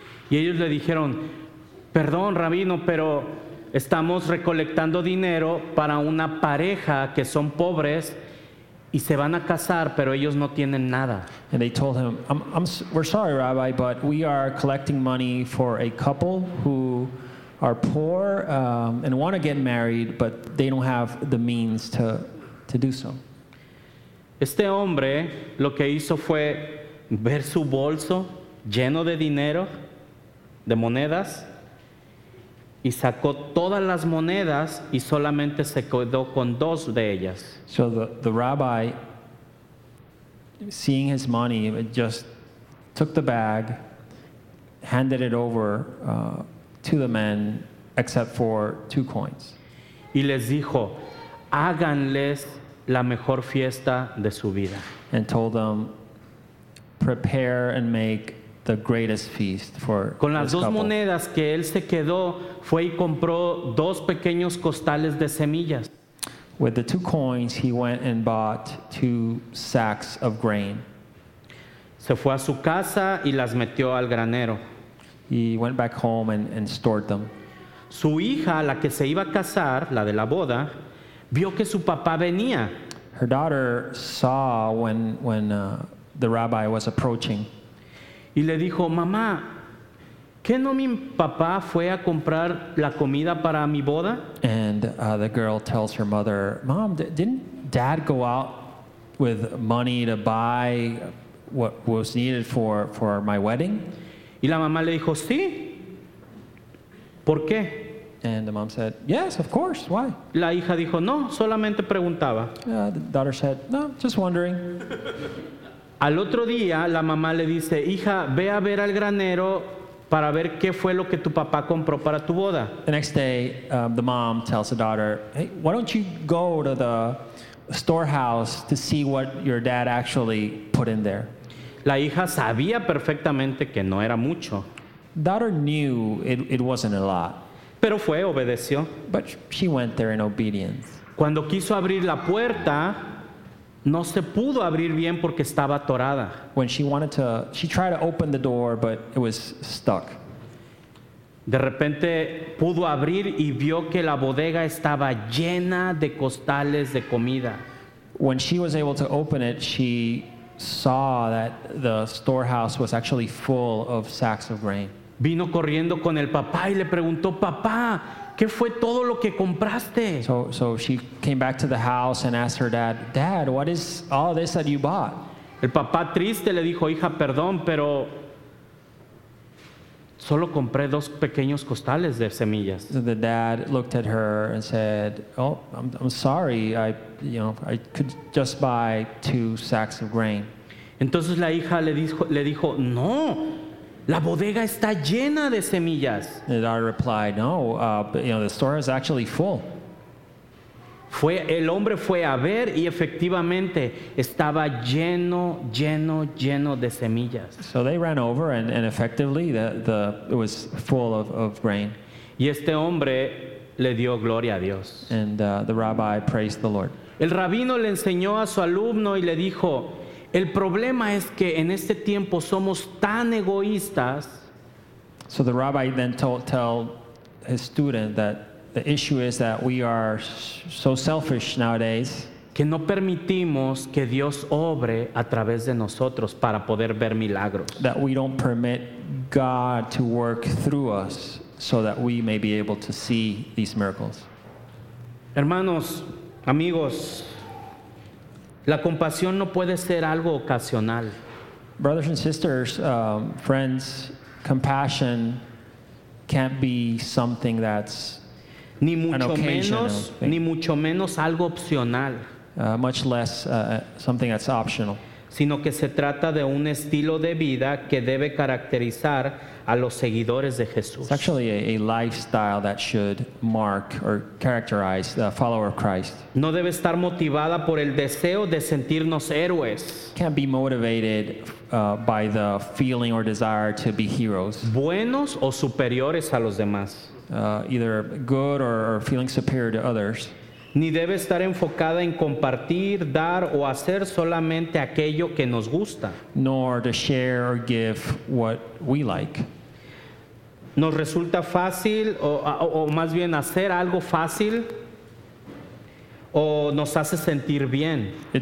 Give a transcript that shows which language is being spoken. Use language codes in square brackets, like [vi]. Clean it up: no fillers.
[es] Y ellos le dijeron, perdón, rabino, pero estamos recolectando dinero para una pareja que son pobres y se van a casar, pero ellos no tienen nada. [en] And they told him, we're sorry, rabbi, but we are collecting money for a couple who are poor and want to get married, but they don't have the means to do so. [es] Este hombre lo que hizo fue ver su bolso lleno de dinero, de monedas, y sacó todas las monedas y solamente se quedó con dos de ellas. [en] So the rabbi, seeing his money, just took the bag, handed it over to the men, except for two coins. [es] Y les dijo, háganles la mejor fiesta de su vida. [en] And told them, prepare and make the greatest feast for this couple. [es] Con las dos monedas que él se quedó, fue y compró dos pequeños costales de semillas. [en] With the two coins, he went and bought two sacks of grain. [es] Se fue a su casa y las metió al granero. [en] He went back home and stored them. [es] Su hija, la que se iba a casar, la de la boda, vio que su papá venía. [en] Her daughter saw when the rabbi was approaching. [es] Y le dijo, mamá, ¿qué no mi papá fue a comprar la comida para mi boda? [en] And the girl tells her mother, mom, didn't dad go out with money to buy what was needed for my wedding? [es] Y la mamá le dijo, sí. ¿Por qué? [en] And the mom said, yes, of course, why? [es] La hija dijo, no, solamente preguntaba. [en] The daughter said, no, just wondering. [es] Al otro día, la mamá le dice, hija, ve a ver al granero para ver qué fue lo que tu papá compró para tu boda. [en] The next day, the mom tells the daughter, hey, why don't you go to the storehouse to see what your dad actually put in there? [es] La hija sabía perfectamente que no era mucho. [en] Daughter knew it wasn't a lot. [es] Pero fue, obedeció. [en] But she went there in obedience. [es] Cuando quiso abrir la puerta, no se pudo abrir bien porque estaba atorada. [en] When she tried to open the door, but it was stuck. [es] De repente pudo abrir y vio que la bodega estaba llena de costales de comida. [en] When she was able to open it, she saw that the storehouse was actually full of sacks of grain. [es] Vino corriendo con el papá y le preguntó, papá, ¿qué fue todo lo que compraste? [en] So she came back to the house and asked her dad, dad, what is all this that you bought? [es] El papá triste le dijo, hija, perdón, pero solo compré dos pequeños costales de semillas. [en] So the dad looked at her and said, oh, I'm sorry, I could just buy two sacks of grain. [es] Entonces la hija le dijo, no, la bodega está llena de semillas. [en] The daughter replied, no, the store is actually full. [es] El hombre fue a ver y efectivamente estaba lleno, lleno, lleno de semillas. [en] So they ran over and effectively the it was full of grain. [es] Y este hombre le dio gloria a Dios. [en] And the rabbi praised the Lord. [es] El rabino le enseñó a su alumno y le dijo, el problema es que en este tiempo somos tan egoístas. [en] So the rabbi then told his student that the issue is that we are so selfish nowadays. [es] Que no permitimos que Dios obre a través de nosotros para poder ver milagros. [en] That we don't permit God to work through us so that we may be able to see these miracles. [es] Hermanos, amigos, La compasión no puede ser algo ocasional. [en] Brothers and sisters, friends, compassion can't be something that's [es] ni mucho menos, ni mucho menos algo opcional. [en] Much less something that's optional. [es] Sino que se trata de un estilo de vida que debe caracterizar a los seguidores de Jesús. [en] It's actually a lifestyle that should mark or characterize the follower of Christ. [es] No debe estar motivada por el deseo de sentirnos héroes. [en] Can't be motivated by the feeling or desire to be heroes. [es] Buenos o superiores a los demás. [en] Either good or feeling superior to others. [es] Ni debe estar enfocada en compartir, dar o hacer solamente aquello que nos gusta. [en] Nor to share or give what we like. [es] Nos resulta fácil o más bien hacer algo fácil o nos hace sentir bien.